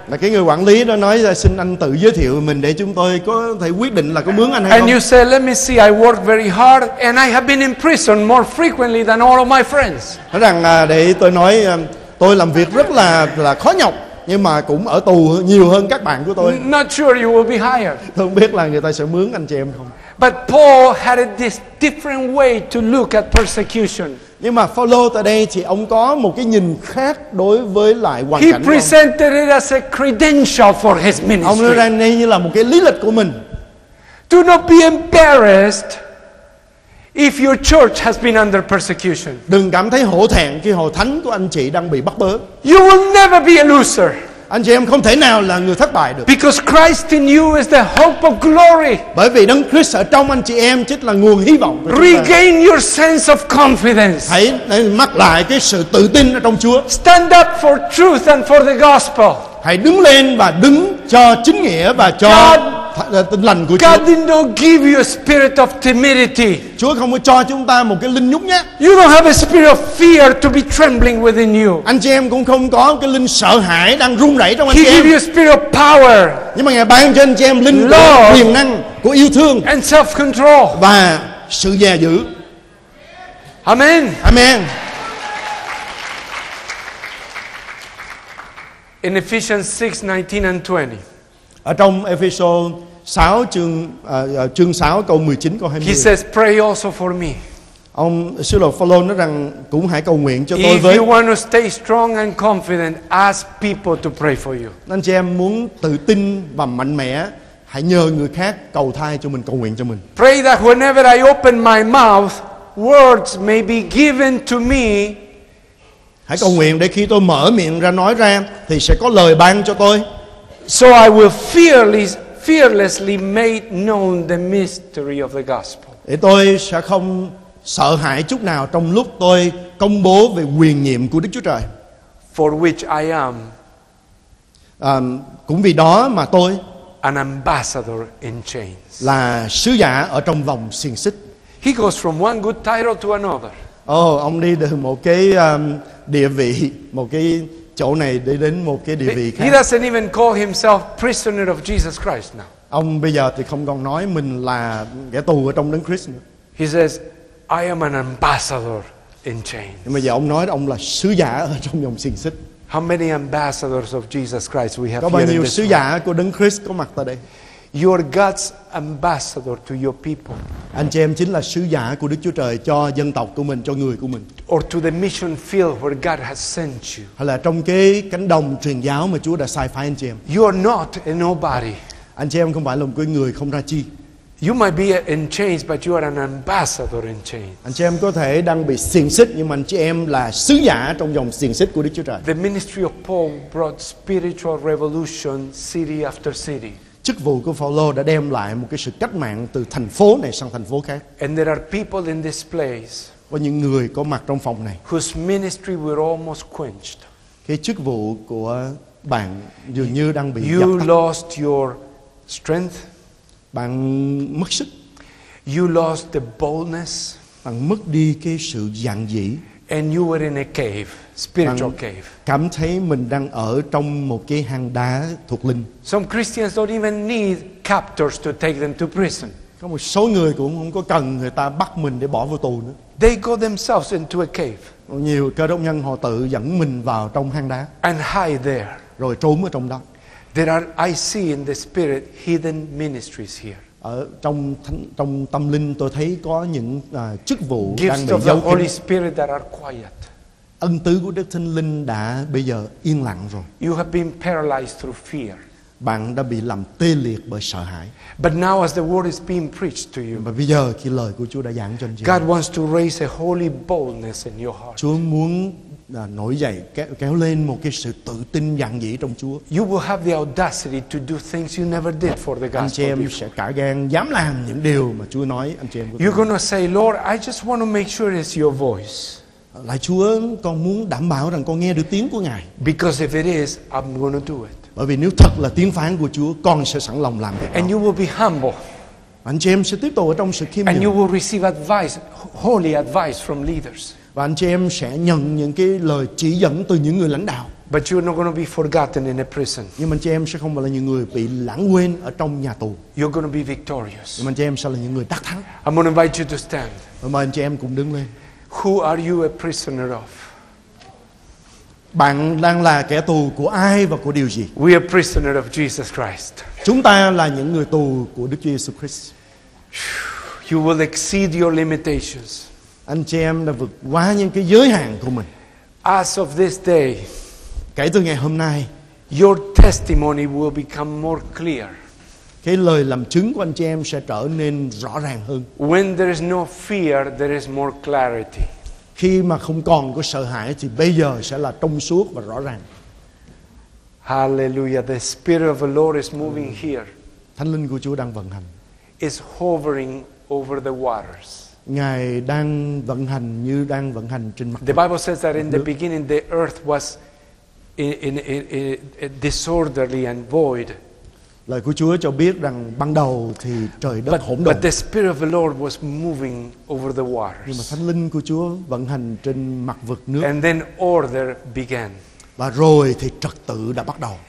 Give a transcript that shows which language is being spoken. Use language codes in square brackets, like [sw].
[vi] Là cái người quản lý đó nói xin anh tự giới thiệu mình để chúng tôi có thể quyết định là có mướn anh hay [en] and [vi] không. [en] You say, let me see, I work very hard and I have been in prison more frequently than all of my friends. [vi] Nói rằng để tôi nói tôi làm việc rất là khó nhọc. Nhưng mà cũng ở tù nhiều hơn các bạn của tôi. [en] Not sure you will be hired. [vi] Tôi không biết là người ta sẽ mướn anh chị em không. [en] But Paul had this different way to look at persecution. [vi] Nhưng mà Phaolô tại đây thì ông có một cái nhìn khác đối với lại hoàn [en] He [vi] cảnh. [en] He presented [vi] ông. [en] It as a credential for his ministry. [vi] Ông nói ra đây như là một cái lý lịch của mình. [en] Do not be embarrassed if your church has been under persecution. [vi] Đừng cảm thấy hổ thẹn khi hội thánh của anh chị đang bị bắt bớ. [en] You will never be a loser. [vi] Anh chị em không thể nào là người thất bại được. [en] Because Christ in you is the hope of glory. [vi] Bởi vì Đấng Christ ở trong anh chị em chính là nguồn hy vọng. [en] Regain your sense of confidence. [vi] Hãy lấy mắc lại cái sự tự tin ở trong Chúa. [en] Stand up for truth and for the gospel. [vi] Hãy đứng lên và đứng cho chính nghĩa và cho tin lành của [en] God [vi] Chúa. [en] God did not give you a spirit of timidity. [vi] Chúa không có cho chúng ta một cái linh nhút nhát. [en] You don't have a spirit of fear to be trembling within you. [vi] Anh chị em cũng không có cái linh sợ hãi đang run rẩy trong anh [en] He [vi] chị em. [en] He gave you a spirit of power. [vi] Nhưng mà Ngài ban cho anh chị em linh quyền năng của yêu thương [en] and self-control. [vi] Và sự dè dữ. [en] Amen. [vi] Amen. [en] In Ephesians 6:19-20. [vi] Ở trong Ephesians 6 chương 6 câu 19 câu 20. [en] He says pray also for me. [vi] Ông sứ đồ Phaolô nói rằng cũng hãy cầu nguyện cho tôi [en] If [vi] với. [en] If you want to stay strong and confident, ask people to pray for you. [vi] Anh chị em muốn tự tin và mạnh mẽ, hãy nhờ người khác cầu thay cho mình, cầu nguyện cho mình. [en] Pray that whenever I open my mouth, words may be given to me [vi] Hãy cầu nguyện để khi tôi mở miệng ra nói ra thì sẽ có lời ban cho tôi. [en] So I will fearlessly make known the mystery of the gospel. [vi] Để tôi sẽ không sợ hãi chút nào trong lúc tôi công bố về quyền nhiệm của Đức Chúa Trời. [en] For which I am. [vi] Cũng vì đó mà tôi [en] an ambassador in chains. [vi] Là sứ giả ở trong vòng xiềng xích. [en] He goes from one good title to another. [vi] Oh, ông đi từ một cái địa vị, một cái chỗ này để đến một cái địa vị khác. [en] He doesn't even call himself prisoner of Jesus Christ now. [vi] Ông bây giờ thì không còn nói mình là kẻ tù ở trong Đấng Christ nữa. [en] He says, I am an ambassador in chains. [vi] Nhưng mà giờ ông nói ông là sứ giả ở trong vòng xiềng xích. [en] How many ambassadors of Jesus Christ we have here? [vi] Có bao nhiêu sứ giả của Đấng Christ có mặt tại đây? [en] You are God's ambassador to your people. [vi] Anh chị em chính là sứ giả của Đức Chúa Trời cho dân tộc của mình, cho người của mình. [en] Or to the mission field where God has sent you. [vi] Hay là trong cái cánh đồng truyền giáo mà Chúa đã sai phái anh chị em. [en] You are not a nobody. [vi] Anh chị em không phải là một cái người không ra chi. [en] You might be in chains, but you are an ambassador in chains. [vi] Anh chị em có thể đang bị xiềng xích, nhưng mà anh chị em là sứ giả trong dòng xiềng xích của Đức Chúa Trời. [en] The ministry of Paul brought spiritual revolution city after city. [vi] Chức vụ của Phaolô đã đem lại một cái sự cách mạng từ thành phố này sang thành phố khác. [en] And there are people in this place. [vi] Có những người có mặt trong phòng này. [en] Whose ministry were almost quenched. [vi] Cái chức vụ của bạn dường như đang bị [en] you [vi] dập tắt. [en] You lost your strength. [vi] Bạn mất sức. [en] You lost the boldness. [vi] Bạn mất đi cái sự dạn dĩ. [en] And you were in a cave. Spiritual cave. [vi] Cảm thấy mình đang ở trong một cái hang đá thuộc linh. [en] Some Christians don't even need captors to take them to prison. [vi] Có một số người cũng không có cần người ta bắt mình để bỏ vô tù nữa. [en] They go themselves into a cave. [vi] Nhiều cơ đốc nhân họ tự dẫn mình vào trong hang đá. [en] And hide there. [vi] Rồi trốn ở trong đó. [en] There are, I see in the spirit, hidden ministries here. [vi] Ở trong tâm linh tôi thấy có những chức vụ [en] gifts [vi] đang bị giấu kín. [en] Gifts of the Holy Spirit that are quiet. [vi] Ân tứ của Đức Thánh Linh đã bây giờ yên lặng rồi. [en] You have been paralyzed through fear. [vi] Bạn đã bị làm tê liệt bởi sợ hãi. [en] But now as the word is being preached to you. [vi] Và bây giờ khi lời của Chúa đã giảng cho anh chị. [en] God wants to raise a holy boldness in your heart. [vi] Chúa muốn nổi dậy, kéo lên một cái sự tự tin dạn dĩ trong Chúa. [en] You will have the audacity to do things you never did for the gospel. [vi] Anh chị em sẽ cả gan dám làm những điều mà Chúa nói anh chị em. [en] You're gonna say, Lord, I just want to make sure it's your voice. [vi] Lạy Chúa, con muốn đảm bảo rằng con nghe được tiếng của Ngài. [en] Because if it is, I'm going to do it. [vi] Bởi vì nếu thật là tiếng phán của Chúa, con sẽ sẵn lòng làm việc đó. [en] And you will be humble. [vi] Anh chị em sẽ tiếp tục ở trong sự khiêm nhường. [en] And you will receive advice, holy advice from leaders. [vi] Và anh chị em sẽ nhận những cái lời chỉ dẫn từ những người lãnh đạo. [en] But you're not going to be forgotten in a prison. [vi] Nhưng mà anh chị em sẽ không phải là những người bị lãng quên ở trong nhà tù. [en] You're going to be victorious. [vi] Nhưng mà anh chị em sẽ là những người đắc thắng. [en] I'm going to invite you to stand. [vi] Và mời anh chị em cùng đứng lên. [en] Who are you a prisoner of? [vi] Bạn đang là kẻ tù của ai và của điều gì? [en] We are prisoner of Jesus Christ. [vi] Chúng ta là những người tù của Đức Chúa Jesus Christ. [en] You will exceed your limitations. [vi] Anh chị em đã vượt quá những cái giới hạn của mình. [en] As of this day, [vi] kể từ ngày hôm nay, [en] your testimony will become more clear. [vi] Cái lời làm chứng của anh chị em sẽ trở nên rõ ràng hơn. [en] When there is no fear, there is more clarity. [vi] Khi mà không còn có sợ hãi thì bây giờ sẽ là trong suốt và rõ ràng. [en] Hallelujah, the Spirit of the Lord is moving here. [vi] Thánh Linh của Chúa đang vận hành. [en] It's hovering over the waters. [vi] Ngài đang vận hành như đang vận hành trên mặt. [en] The Bible says that in the beginning the earth was in disorderly and void. [vi] Lời của Chúa cho biết rằng ban đầu thì trời đất hỗn độn. [en] But the Spirit of the Lord was moving over the waters. [vi] Nhưng mà Thánh Linh của Chúa vận hành trên mặt vực nước. [en] And then order began. [vi] Và rồi thì trật tự đã bắt đầu.